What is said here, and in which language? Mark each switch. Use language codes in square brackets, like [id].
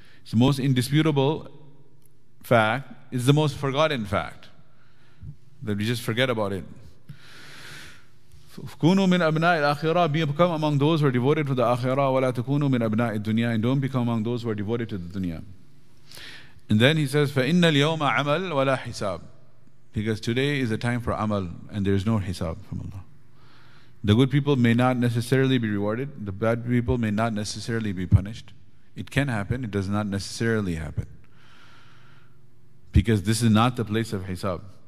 [en] It's the most indisputable fact, it's the most forgotten fact, that we just forget about it. [ar] كُونُوا مِنْ أَبْنَاءِ الْآخِرَةِ. [en] Become among those who are devoted to the akhirah. [ar] وَلَا تَكُونُوا مِنْ أَبْنَاءِ الدُّنْيَا. [en] And don't become among those who are devoted to the dunya. And then he says, [ar] فَإِنَّ الْيَوْمَ عَمَلْ وَلَا حِسَاب. [en] Because today is a time for amal, and there is no hisab from Allah. The good people may not necessarily be rewarded. The bad people may not necessarily be punished. It can happen. It does not necessarily happen. Because this is not the place of hisab.